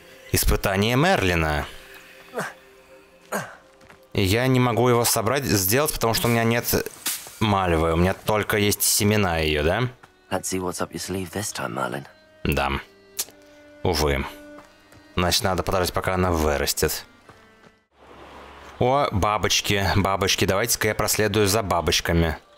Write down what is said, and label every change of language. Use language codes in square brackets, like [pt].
[ru] Испытание Мерлина. И я не могу его собрать, сделать, потому что у меня нет мальвы. У меня только есть семена ее, да? [en] Let's see what's up your sleeve this time, Merlin. [ru] Да. Увы. Значит, надо подождать, пока она вырастет. О, бабочки, бабочки. Давайте-ка я проследую за бабочками.